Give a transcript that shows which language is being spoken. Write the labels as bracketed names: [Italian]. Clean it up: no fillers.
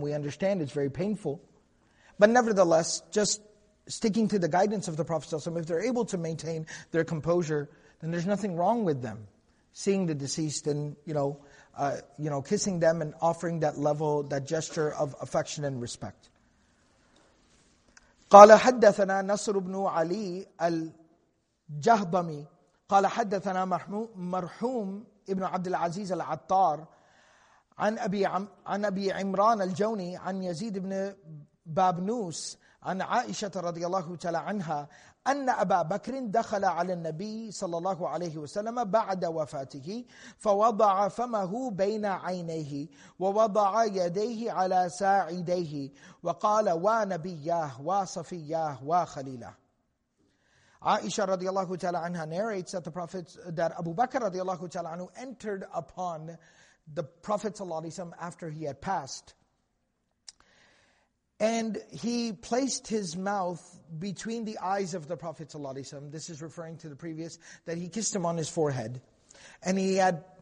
[English] We understand it's very painful. But nevertheless, just sticking to the guidance of the Prophet ﷺ, if they're able to maintain their composure, then there's nothing wrong with them seeing the deceased and, you know, kissing them and offering that level, that gesture of affection and respect. [Arabic] قَالَ حَدَّثَنَا نَصْرُ بْنُ عَلِي الْجَهْضَمِ قَالَ حَدَّثَنَا مَرْحُومُ إِبْنُ عَبْدِ الْعَزِيزِ الْعَطَّارِ عَنْ أَبِي عِمْرَانَ الْجَوْنِي عَنْ يَزِيدِ بْنِ بَابْنُوسِ عَنْ عَائِشَةَ رَضِيَ اللَّهُ تَعَالَى عَنْهَا أن أبا بكر دخل على النبي صلى الله عليه وسلم بعد وفاته فوضع فمه بين عينيه ووضع يديه على ساعديه وقال ونبياه وصفياه وخليله. [English] Aisha radiallahu ta'ala anha narrates that the Prophet, that Abu Bakr radiallahu ta'ala anhu entered upon the Prophet sallallahu alayhi wa sallam after he had passed. And he placed his mouth between the eyes of the Prophet ﷺ. This is referring to the previous, that he kissed him on his forehead. And he had